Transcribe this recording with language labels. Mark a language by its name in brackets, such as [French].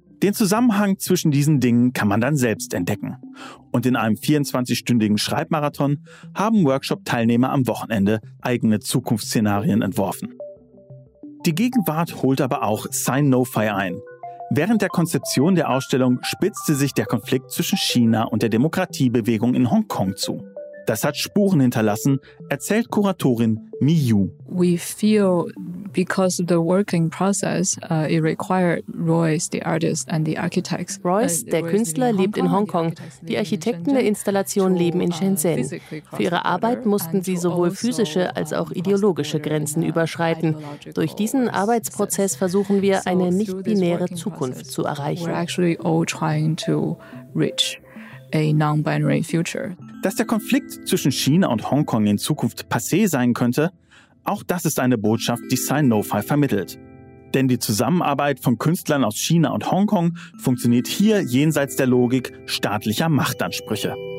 [German] Den Zusammenhang zwischen diesen Dingen kann man dann selbst entdecken. Und in einem 24-stündigen Schreibmarathon haben Workshop-Teilnehmer am Wochenende eigene Zukunftsszenarien entworfen. Die Gegenwart holt aber auch Sci-No-Fi ein. Während der Konzeption der Ausstellung spitzte sich der Konflikt zwischen China und der Demokratiebewegung in Hongkong zu. Das hat Spuren hinterlassen, erzählt Kuratorin Miu. [English] We feel because of the working process, it required Royce, the artist and the architects. [German] Royce, der Künstler, lebt in Hongkong. Die Architekten der Installation leben in Shenzhen. Für ihre Arbeit mussten sie sowohl physische als auch ideologische Grenzen überschreiten. Durch diesen Arbeitsprozess versuchen wir, eine nicht-binäre Zukunft zu erreichen. [English] We're actually all trying to reach a non-binary future. [German] Dass der Konflikt zwischen China und Hongkong in Zukunft passé sein könnte, auch das ist eine Botschaft, die Sci-No-Fi vermittelt. Denn die Zusammenarbeit von Künstlern aus China und Hongkong funktioniert hier jenseits der Logik staatlicher Machtansprüche.